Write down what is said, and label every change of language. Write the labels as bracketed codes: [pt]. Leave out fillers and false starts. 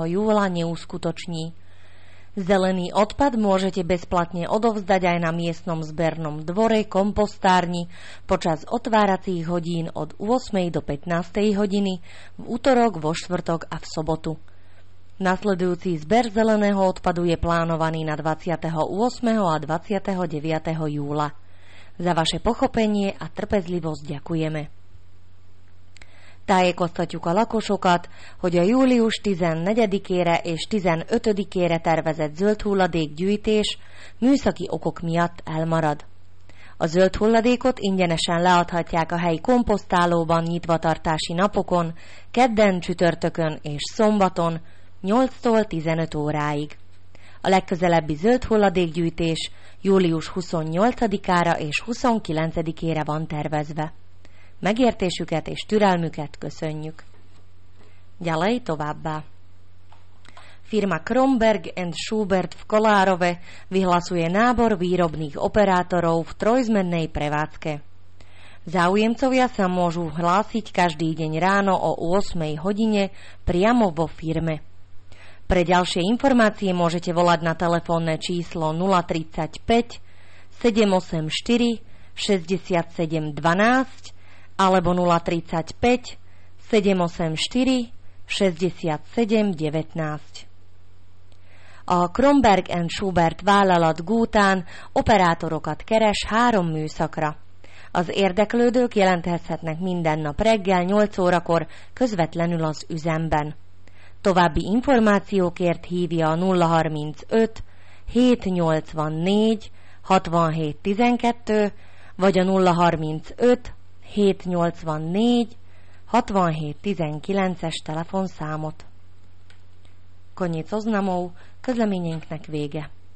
[sk] júla neuskutoční. Zelený odpad môžete bezplatne odovzdať aj na miestnom zbernom dvore, kompostárni počas otváracích hodín od 8. do 15. hodiny v utorok, vo štvrtok a v sobotu. Nasledujúci zber zeleného odpadu je plánovaný na 28. a 29. júla. Za vaše pochopenie a trpezlivosť ďakujeme. [hu] Táje kosztatjuk a lakosokat, hogy a július 14-ére és 15-ére tervezett zöld hulladék gyűjtés műszaki okok miatt elmarad. A zöld hulladékot ingyenesen leadhatják a helyi komposztálóban nyitvatartási napokon, kedden, csütörtökön és szombaton 8-tól 15 óráig. A legközelebbi zöld hulladékgyűjtés július 28-ára és 29-ére van tervezve. Megértésüket és türelmüket köszönjük. Gyalej továbbá. [sk] Firma Kromberg & Schubert v Kolárove vyhlasuje nábor výrobných operátorov v trojzmennej prevádzke. Záujemcovia sa môžu hlásiť každý deň ráno o 8 hodine priamo vo firme. Pre ďalšie informácie môžete volať na telefónne číslo 035 784 67 12 alebo 035 784 67 19. [hu] A Kromberg & Schubert vállalat Gútán operátorokat keres három műszakra. Az érdeklődők jelentkezhetnek minden nap reggel 8 órakor közvetlenül az üzemben. További információkért hívja a 035 784 67 12 vagy a 035 784 67 19-es telefonszámot. [sk] Koniec oznamov, [hu] közleményeinknek vége.